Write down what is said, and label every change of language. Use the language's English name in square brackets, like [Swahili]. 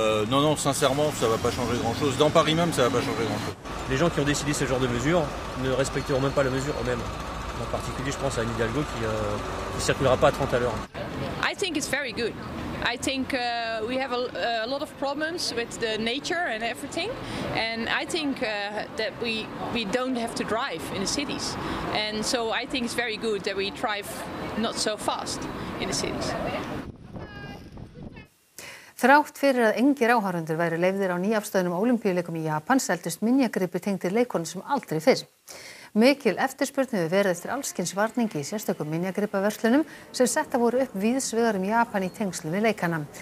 [French] Non, sincèrement, ça va pas changer grand-chose. Dans Paris même, ça va pas changer grand-chose. Les gens qui ont décidé ce genre de mesures ne respecteront même pas la mesure eux-mêmes. En particulier, je pense à Anne Hidalgo qui circulera pas à 30 à l'heure. [English] I think it's very good. I think we have a lot of problems with the nature and everything, and I think that we don't have to drive in the cities. And so I think it's very good that we drive not so fast in the cities. [Icelandic] Þrátt fyrir að engir áhorfendur væru leyfðir á nýafstöðnum ólympíuleikum í Japan seldust minjagripir tengdir leikunum sem aldrei fyrr. Mikil eftirspurn hefur verið eftir allskyns varningi í sérstökum minjagripaverslunum sem setta voru upp víðsvegar Japan í tengslum við leikana.